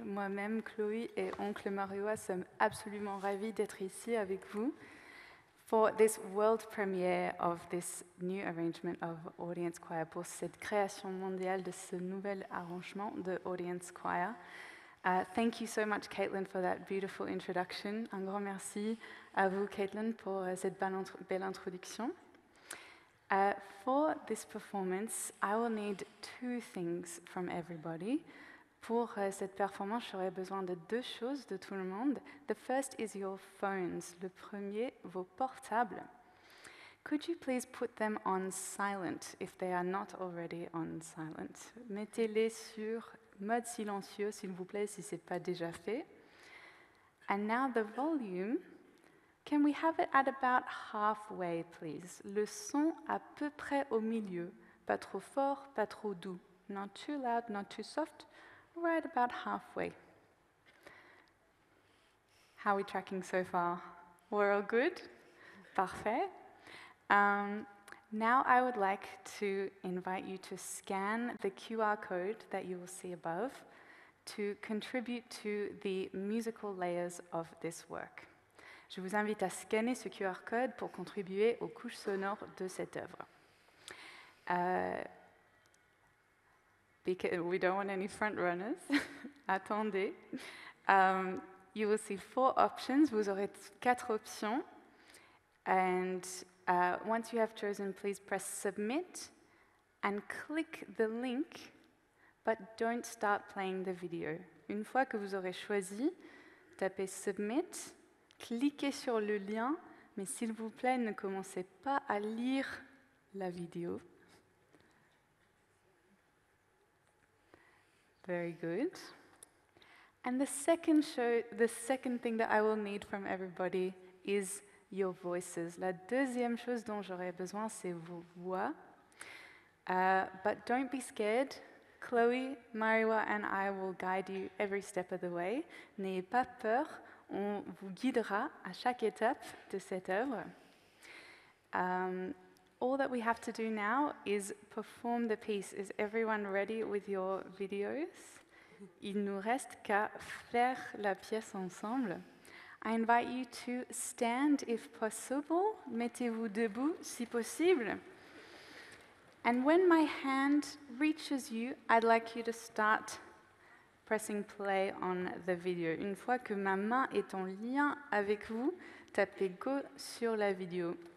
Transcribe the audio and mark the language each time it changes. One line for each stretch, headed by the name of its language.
French: Moi-même, Chloe et Oncle Mariwa sommes absolument ravis d'être ici avec vous
English: for this world premiere of this new arrangement of audience choir,
French: pour cette création mondiale de ce nouvel arrangement de audience choir.
English: Thank you so much, Caitlin, for that beautiful introduction.
French: Un grand merci à vous, Caitlin, pour cette belle introduction.
English: For this performance, I will need two things from everybody.
French: Pour cette performance, j'aurai besoin de deux choses de tout le monde.
English: The first is your phones.
French: Le premier, vos portables.
English: Could you please put them on silent if they are not already on silent?
French: Mettez-les sur mode silencieux, s'il vous plaît, si ce n'est pas déjà fait.
English: And now the volume. Can we have it at about halfway, please?
French: Le son à peu près au milieu, pas trop fort, pas trop doux.
English: Not too loud, not too soft, right about halfway. How are we tracking so far? We're all good? Parfait. Now I would like to invite you to scan the QR code that you will see above to contribute to the musical layers of this work.
French: Je vous invite à scanner ce QR code pour contribuer aux couches sonores de cette œuvre.
English: Because we don't want any front runners. Attendez. You will see four options.
French: Vous aurez quatre options.
English: And once you have chosen, please press submit and click the link, but don't start playing the video.
French: Une fois que vous aurez choisi, tapez submit. Cliquez sur le lien, mais s'il vous plaît, ne commencez pas à lire la vidéo.
English: Very good. And the second thing that I will need from everybody is your voices. La deuxième chose dont j'aurai besoin, c'est vos voix. But don't be scared. Chloe, Mariwa and I will guide you every step of the way.
French: N'ayez pas peur. On vous guidera à chaque étape de cette œuvre.
English: All that we have to do now is perform the piece. Is everyone ready with your videos?
French: Il nous reste qu'à faire la pièce ensemble.
English: I invite you to stand if possible.
French: Mettez-vous debout si possible.
English: And when my hand reaches you, I'd like you to start pressing play on the video.
French: Une fois que ma main est en lien avec vous, tapez go sur la vidéo.